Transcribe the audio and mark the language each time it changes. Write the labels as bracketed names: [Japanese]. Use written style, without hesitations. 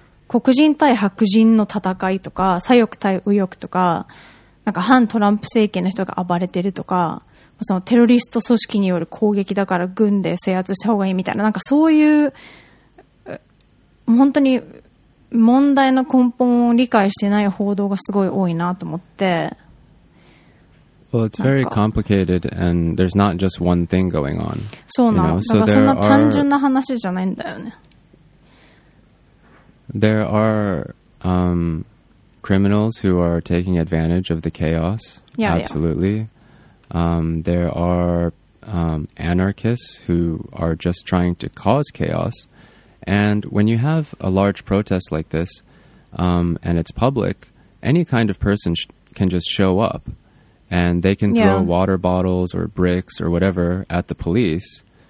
[Japanese] う黒人対白人の戦いとか左翼対右翼とか、なんか反トランプ政権の人が暴れてるとか、そのテロリスト組織による攻撃だから軍で制圧した方がいいみたいな、なんかそういう本当に問題の根本を理解してない報道がすごい多いなと思って。 [English] Well, it's very complicated, and there's not just one thing going on. [Japanese] そうなの。だからそんな単純な話じゃないんだよね。 [English] There are criminals who are taking advantage of the chaos. Yeah, absolutely. Yeah. There are anarchists who are just trying to cause chaos. And when you have a large protest like this, and it's public, any kind of person can just show up, and they can throw water bottles or bricks or whatever at the police.